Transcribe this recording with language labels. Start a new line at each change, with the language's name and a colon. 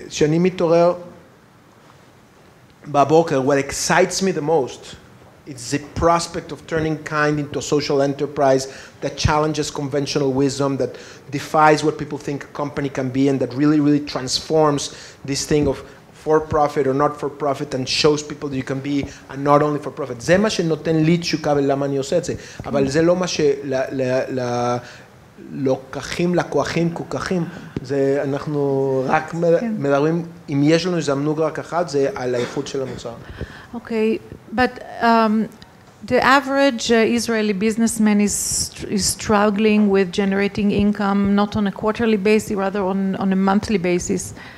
Hebrew: שאני מתעורר בבוקר,
English: what excites me the most, it's the prospect of turning kind into a social enterprise that challenges conventional wisdom, that defies what people think a company can be, and that really, really transforms this thing of for-profit or not-for-profit and shows people that you can be and not only for-profit.
Hebrew: זה מה שנותן לי תשוקה ולמה אני עושה את זה. אבל זה לא מה שלוקחים, לקוחים, קוקחים. זה אנחנו רק מדברים, אם יש לנו הזדמנות רק אחת, זה על האיכות של המוצר.
English: Okay, but the average Israeli businessman is struggling with generating income, not on a quarterly basis, rather on a monthly basis.